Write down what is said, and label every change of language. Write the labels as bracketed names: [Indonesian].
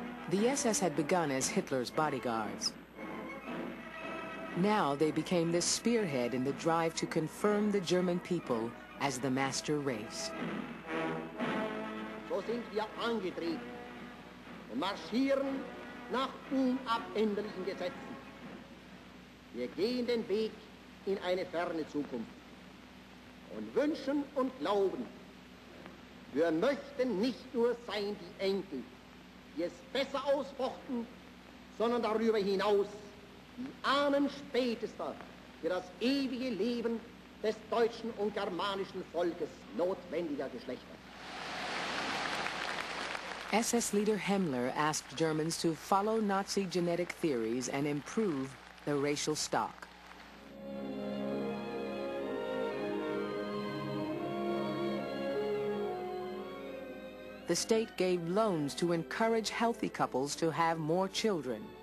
[English] The SS had begun as Hitler's bodyguards. Now they became the spearhead in the drive to confirm the German people as the master race. [German] So sind wir angetreten und marschieren nach unabänderlichen Gesetzen. Wir gehen den Weg in eine ferne Zukunft und wünschen und glauben, wir möchten nicht nur sein die Enkel, die es besser ausfochten, sondern darüber hinaus die Ahnen spätester für das ewige Leben des deutschen und germanischen Volkes notwendiger Geschlechter. [English] SS leader Himmler asked Germans to follow Nazi genetic theories and improve the racial stock. The state gave loans to encourage healthy couples to have more children.